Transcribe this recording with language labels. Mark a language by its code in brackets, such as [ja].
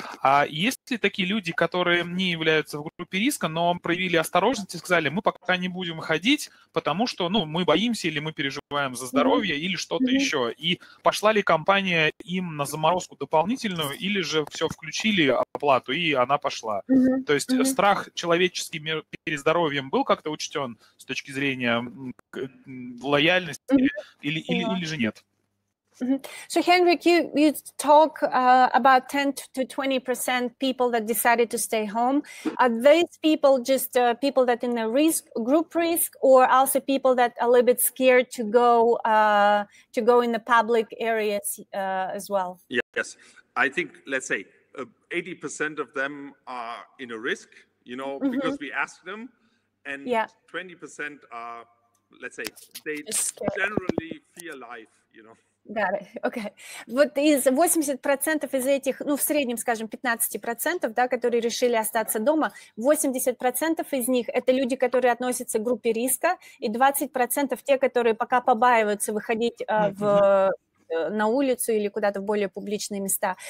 [ru] а есть ли такие люди, которые не являются в группе риска, но проявили осторожность и сказали, мы пока не будем ходить, потому что мы боимся или мы переживаем за здоровье или что-то еще, и пошла ли компания им на заморозку дополнительную, или же все включили оплату и она пошла, то есть страх человеческий перед здоровьем был как-то учтен? С точки зрения лояльности или же нет? [en] So, Henrik, you talk about 10-20% people that decided to stay home. Are these people just people that in the risk group risk, or also people that are a little bit scared to go in the public areas as well? Yes, I think let's say 80% of them are in a risk, you know, because we ask them. And 20% are, let's say, they generally fear life, you know. Got it. Okay. [ru] Вот из 80% из этих, в среднем, скажем, 15%, да, которые решили остаться дома, 80% из них – это люди, которые относятся к группе риска, и 20% – те, которые пока побаиваются выходить на улицу или куда-то в более публичные места.